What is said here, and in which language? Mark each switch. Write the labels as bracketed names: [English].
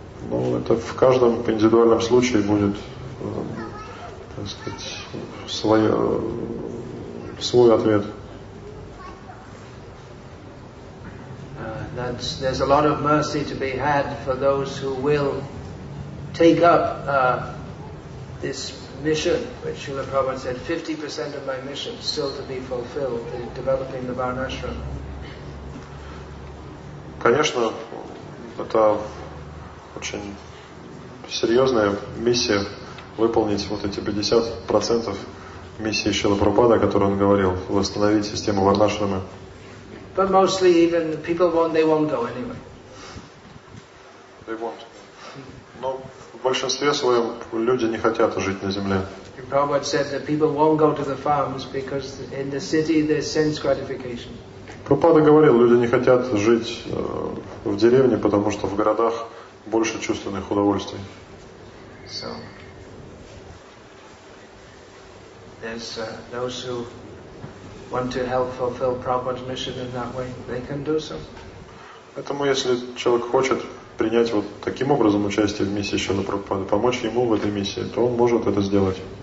[Russian] Ну, это в каждом индивидуальном случае будет, так сказать, свой ответ. [English] There's a lot of mercy to be had for those who will take up this mission, which Srila Prabhupada said, 50% of my mission still to be fulfilled in developing the Varnashram. [Russian] Конечно, это очень серьезная миссия выполнить вот эти 50% миссии Шрилы Прабхупады, о которой он говорил, восстановить систему Варнашрамы. [English] But mostly even the people won't, they won't go anyway. They won't. [Russian] Но в большинстве своем люди не хотят жить на земле. [English] Prabhupada said that people won't go to the farms because in the city there's sense gratification. [Russian] Прабхупада говорил, люди не хотят жить в деревне, потому что в городах больше чувственных удовольствий. [English] So, there's those who want to help fulfill Prabhupada's mission in that way, they can do so. [Russian] Поэтому, если человек хочет принять вот таким образом участие в миссии Шрилы Прабхупады, помочь ему в этой миссии, то он может это сделать.